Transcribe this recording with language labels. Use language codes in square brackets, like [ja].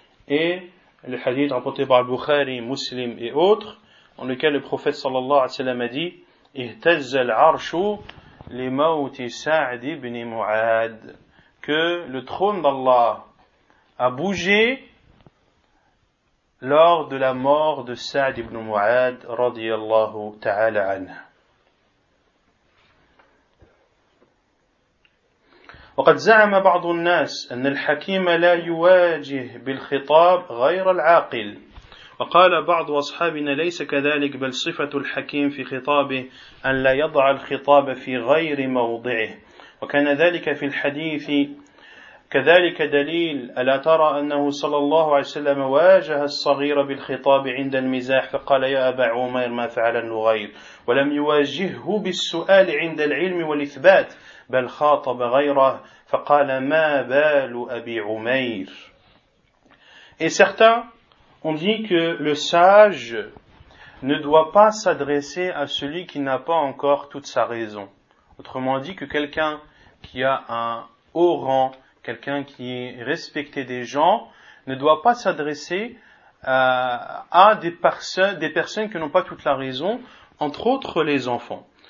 [fr] est le hadith rapporté par Bukhari, Muslim et autres, dans lequel le prophète sallallahu alayhi wa sallam a dit « [ar] Ihtazza al-arshu li mawti Sa'd ibn Mu'ad [fr] » que le trône d'Allah a bougé lors de la mort de Sa'd ibn Mu'ad, radiyallahu ta'ala anha. [ar] وقد زعم بعض الناس أن الحكيم لا يواجه بالخطاب غير العاقل وقال بعض أصحابنا ليس كذلك بل صفة الحكيم في خطابه أن لا يضع الخطاب في غير موضعه وكان ذلك في الحديث كذلك دليل ألا ترى أنه صلى الله عليه وسلم واجه الصغير بالخطاب عند المزاح فقال يا أبا عمير ما فعل النغير ولم يواجهه بالسؤال عند العلم والإثبات بل خاطب غيره فقال ما بال أبي عمير. [fr] Et certains ont dit que le sage ne doit pas s'adresser à celui qui n'a pas encore toute sa raison. Autrement dit, que quelqu'un qui a un haut rang, quelqu'un qui est respecté des gens, ne doit pas s'adresser à des personnes qui n'ont pas toute la raison, entre autres les enfants.